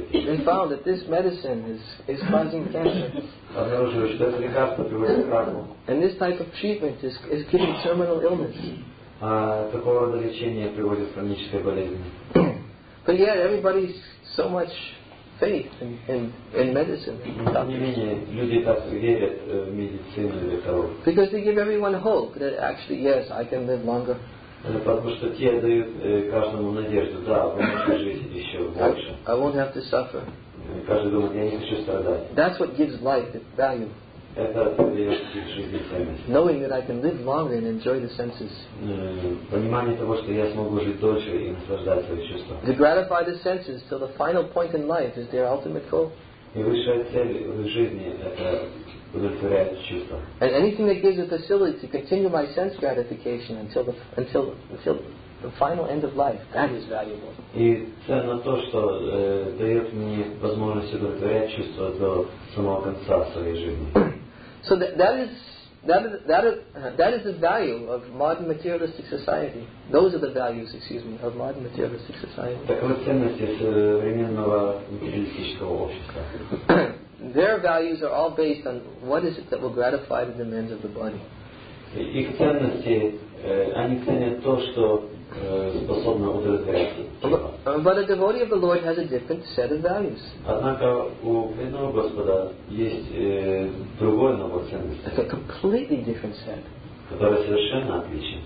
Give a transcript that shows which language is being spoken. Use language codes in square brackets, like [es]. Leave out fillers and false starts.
[en] They found that this medicine is causing cancer. [ru] Обнаружили, что это лекарство приводит к раку. [en] And this type of treatment is giving terminal illness. [ru] А такого рода лечение приводит к хронической болезни. [en] But yet everybody's so much faith in medicine. [ru] Тем не менее, люди так верят в медицину для того. [en] Because they give everyone hope that actually, yes, I can live longer. [ru] Потому что те дают каждому надежду, да, вы можете жить еще больше. [en] I won't have to suffer. [ru] Каждый думает, я не хочу страдать. [en] That's what gives life its value. [ru] Это дает жизни ценность. [en] Knowing that I can live longer and enjoy the senses. [ru] Понимание того, что я смогу жить дольше и наслаждать свои чувства. [en] To gratify the senses till the final point in life is their ultimate goal. [ru] И высшая цель в жизни — это удовлетворять чувства. [en] And anything that gives a facility to continue my sense gratification until the final end of life, that is valuable. [ru] И ценно то, что дает мне возможность удовлетворять чувства до самого конца своей жизни. [en] So that is the value of modern materialistic society. Those are the values, excuse me, of modern materialistic society. [ru] Таковы ценности современного материалистического общества. [en] Their values are all based on what is it that will gratify the demands of the body. [ru] Их ценности, они ценят то, что способно удовлетворять [en] But a devotee of the Lord has a different set of values. [ru] Однако у преданного Господа есть другое набор ценностей. [en] It's a completely different set. [ru] Которое совершенно отличное.